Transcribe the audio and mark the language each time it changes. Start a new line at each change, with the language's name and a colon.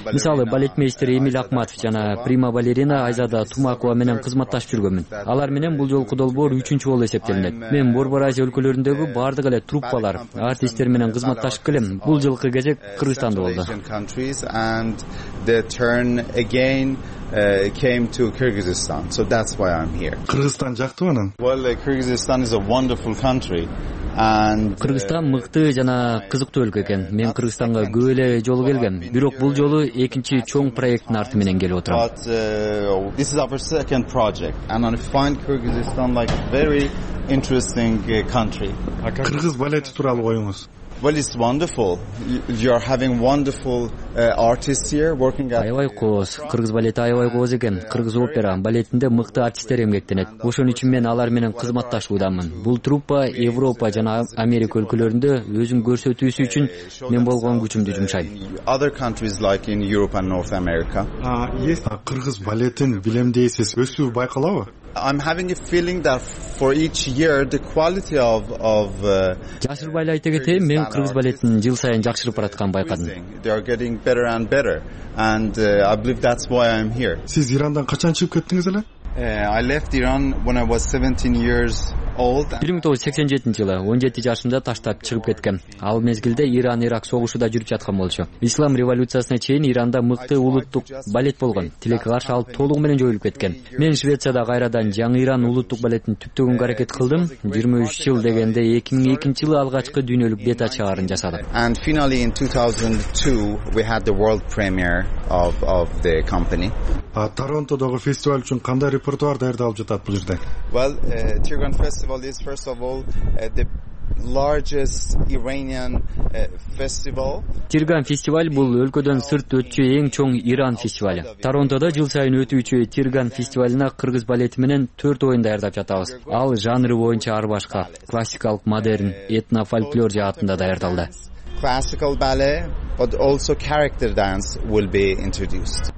Kyrgyz: Мисалы, балетмейстер Эмиль Акматов жана Прима балерина Айзада Тумакова менен кызматташып жүргөнмүн. Алар менен бул жолку долбоор үчүнчү болуп эсептелинет. Мен Борбор Азия өлкөлөрүндөгү бардык эле труппалар, артисттер менен кызматташып келем. Бул жылкы кезек Кыргызстанда болду.
English: Came to Kyrgyzstan, so that's why I'm here.
Kyrgyz: Кыргызстан жактыбы анан?
English: Kyrgyzstan is a wonderful country.
Kyrgyz: Кыргызстан мыкты жана кызыктуу өлкө экен. Мен Кыргызстанга көп эле жолу келген, бирок бул жолу экинчи чоң проекттин арты менен келип отурам.
English: This is our second project and I find Kyrgyzstan like very interesting country.
Kyrgyz: Кыргыз балети тууралуу оюңуз?
English: Well, it's wonderful. You are having wonderful artists here working at.
Kyrgyz: Аябай кооз, кыргыз балети аябай кооз экен. Кыргыз опера балетинде мыкты артисттер эмгектенет. Ошон үчүн мен алар менен кызматташуудамын. Бул труппа Европа жана Америка өлкөлөрүндө өзүн көрсөтүүсү үчүн мен болгон күчүмдү жумшайм.
English: Other countries like in Europe and North America.
Kyrgyz: Кыргыз балетин билем дейсиз, өсүү байкалабы?
English: I'm having a feeling that for each year the quality of
Kyrgyz: жашырып айла айта кетейин, мен кыргыз балетин жыл сайын жакшырып бараткан байкадым.
English: They are getting better and better and I believe that's why I'm here.
Kyrgyz: Сиз Ирандан качан чыгып кеттиңиз эле?
English: I left Iran when I was 17 years old.
Kyrgyz: 1987 жылы 17 жашымда таштап чыгып кеткем. Ал мезгилде Иран Ирак согушу да жүрүп жаткан болчу. Ислам революциясына чейин Иранда мыкты улуттук балет болгон. Тилекке каршы ал толугу менен жоюлуп кеткен. Мен Швецияда кайрадан жаңы Иран улуттук балетин түптөгөнгө аракет кылдым. 23 жыл дегенде 2002 жылы алгачкы дүйнөлүк бета чыгарын жасадык.
English: And finally in 2002 we had the world premiere of the company.
Kyrgyz: Торонтодогу фестиваль үчүн кандай репертуар даярдалып жатат бул жерде?
English: Well, Tigran Festival is first of all the largest Iranian festival.
Kyrgyz: Tigran Festival бул өлкөдөн сырт өтчү эң чоң Иран фестивалы. Торонтодо жыл сайын өтүүчү Tigran Festivalына кыргыз балети менен 4 оюн даярдап жатабыз. Ал жанры боюнча ар башка: классикалык, модерн, этно, фольклор жаатында даярдалды.
English: Classical ballet but also character dance will be introduced.